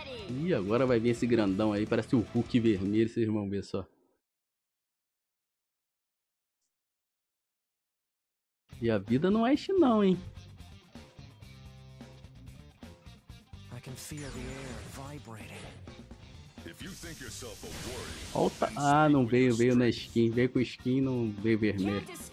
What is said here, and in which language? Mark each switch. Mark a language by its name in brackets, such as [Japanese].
[Portuguese] Ih, agora vai vir esse grandão aí, parece o Hulk vermelho, vocês vão ver só. E a vida não é este não, hein? [English] I can feel the air vibrating. [Portuguese] Volta. Ah, não veio, veio na skin. Veio com skin, não veio vermelho.